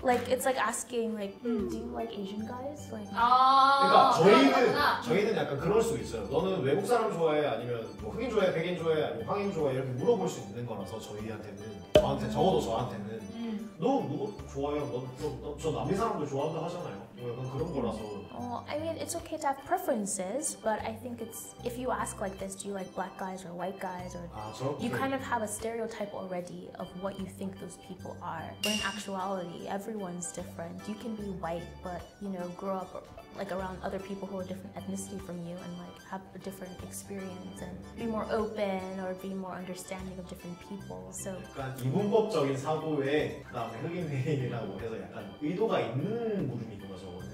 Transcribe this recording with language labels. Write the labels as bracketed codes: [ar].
[en] Like it's like asking like do you like Asian guys like [ko] 아 그러니까 저희는 약간 그럴 수 있어요. 너는 외국 사람 좋아해 아니면 뭐 흑인 좋아해 백인 좋아해 아니면 황인 좋아해 이렇게 물어볼 수 있는 거라서 저희한테는 저한테 적어도 저한테는 너 누구 좋아해요? 저 남미 사람도 좋아한다 하잖아요. 약간 그런 거라서. [en] I mean it's okay to have preferences, but I think it's if you ask like this, do you like black guys or white guys or [ko] 아, [en] you kind of have a stereotype already of what you think those people are. But in actuality, everyone's different. You can be white, but you know, grow up like around other people who are different ethnicity from you and like have a different experience and be more open or be more understanding of different people. So [ko] 약간 이분법적인 사고에 그다음에 흑인이라고 해서 약간 의도가 있는 부분이 있어서.